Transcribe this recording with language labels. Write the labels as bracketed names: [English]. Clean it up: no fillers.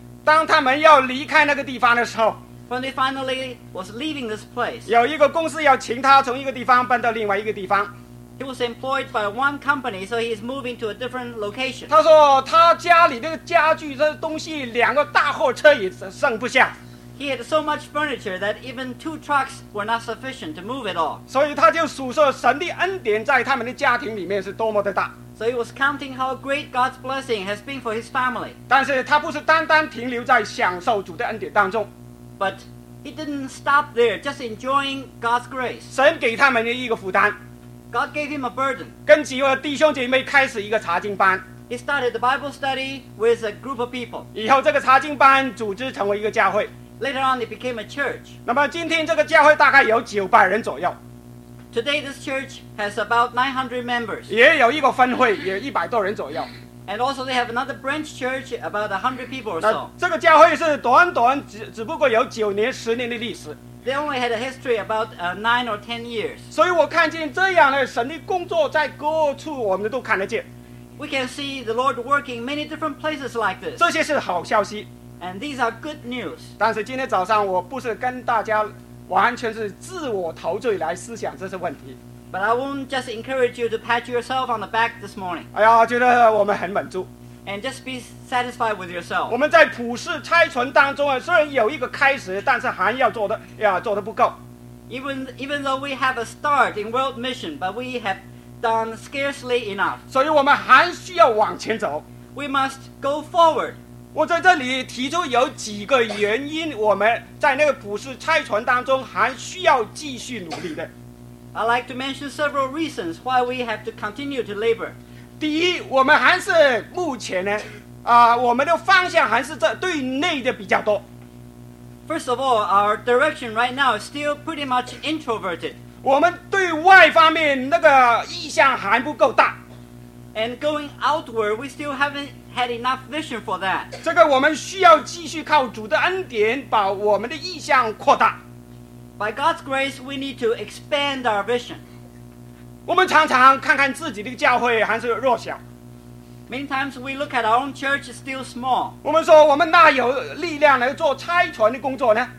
[Chinese] 当他们要离开那个地方的时候， [English] When they finally was leaving this place, [Chinese] 有一个公司要请他从一个地方搬到另外一个地方。 [English] He was employed by one company, so he is moving to a different location. [Chinese] 他说他家里的家具这东西两个大货车也上不下。 [English] He had so much furniture that even two trucks were not sufficient to move it all. [Chinese] 所以他就数说神的恩典在他们的家庭里面是多么的大。 [English] So he was counting how great God's blessing has been for his family. [Chinese] 但是他不是单单停留在享受主的恩典当中。 [English] But he didn't stop there, just enjoying God's grace. [Chinese] 神给他们的一个负担。 [English] God gave him a burden. [Chinese] 跟几位弟兄姐妹开始一个查经班。 [English] He started the Bible study with a group of people. [Chinese] 以后这个查经班组织成为一个教会。 [English] Later on, it became a church. [Chinese] 那么今天这个教会大概有900人左右。 [English] Today, this church has about 900 members. [Chinese] 也有一个分会，也100多人左右。 [English] And also, they have another branch church, about 100 people or so. [Chinese] 这个教会是短短只不过有九年、十年的历史。 [English] They only had a history about 9 or 10 years. [Chinese] 所以我看见这样的神的工作在各处我们都看得见。 [English] We can see the Lord working many different places like this. [Chinese] 这些是好消息。 [English] And these are good news. [Chinese] 但是今天早上我不是跟大家完全是自我陶醉来思想这些问题。 [English] But I won't just encourage you to pat yourself on the back this morning. [Chinese] 哎呀，觉得我们很满足。 [English] And just be satisfied with yourself. [Chinese] 我们在普世差存当中啊，虽然有一个开始，但是还要做的不够。 [English] Even though we have a start in world mission, but we have done scarcely enough. [Chinese] 所以我们还需要往前走。 [English] We must go forward. [Chinese] 我在这里提出有几个原因，我们在那个普世差传当中还需要继续努力的。 [English] I'd like to mention several reasons why we have to continue to labor. [Chinese] 第一，我们还是目前呢，我们的方向还是在对内的比较多。 [English] First of all, our direction right now is still pretty much introverted. [Chinese] 我们对外方面那个意向还不够大。 [English] And going outward, we still haven't had enough vision for that. [Chinese] 这个我们需要继续靠主的恩典把我们的意向扩大。 [English] By God's grace, we need to expand our vision. [Chinese] 我们常常看看自己的教会还是弱小。 [English] Many times we look at our own church still small. [Chinese] 我们说我们哪有力量来做差传的工作呢？